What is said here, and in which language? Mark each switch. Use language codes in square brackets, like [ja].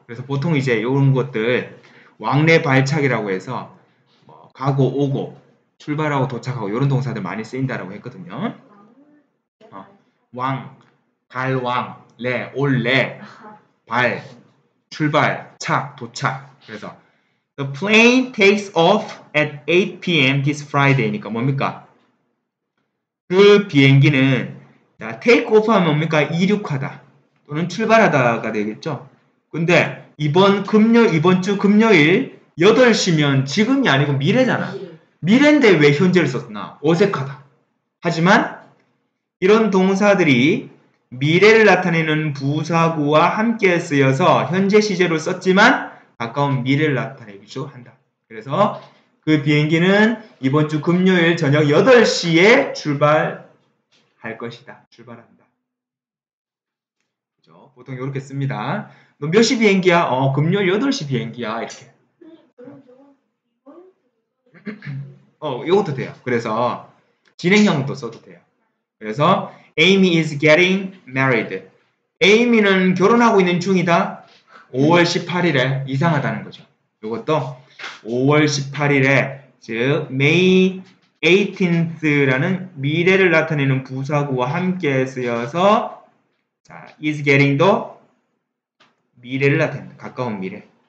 [ko] 그래서 보통 이제 이런 것들 왕래 발착이라고 해서 뭐 가고 오고 출발하고 도착하고 이런 동사들 많이 쓰인다라고 했거든요. 왕, 발, 왕, 레, 올, 레, 발, 출발, 착, 도착. 그래서 [en] The plane takes off at 8 p.m. this Friday [ko] 니까 뭡니까? 그 비행기는 자, take off하면 뭡니까? 이륙하다 또는 출발하다가 되겠죠. 근데 이번 금요 이번 주 금요일 8시면 지금이 아니고 미래잖아. 미래인데 왜 현재를 썼나? 어색하다. 하지만 이런 동사들이 미래를 나타내는 부사구와 함께 쓰여서 현재 시제로 썼지만 가까운 미래를 나타내기도 한다. 그래서 그 비행기는 이번 주 금요일 저녁 8시에 출발할 것이다. 출발한다. 그죠? 보통 이렇게 씁니다. 너 몇 시 비행기야? 어, 금요일 8시 비행기야. 이렇게. 어, 이것도 돼요. 그래서 진행형도 써도 돼요. 그래서 [en] Amy is getting married. [ko] Amy는 결혼하고 있는 중이다. 5월 18일에 이상하다는 거죠. 이것도 5월 18일에 즉 May 18th라는 미래를 나타내는 부사구와 함께 쓰여서 자, is getting도 미래를 나타내는 가까운 미래.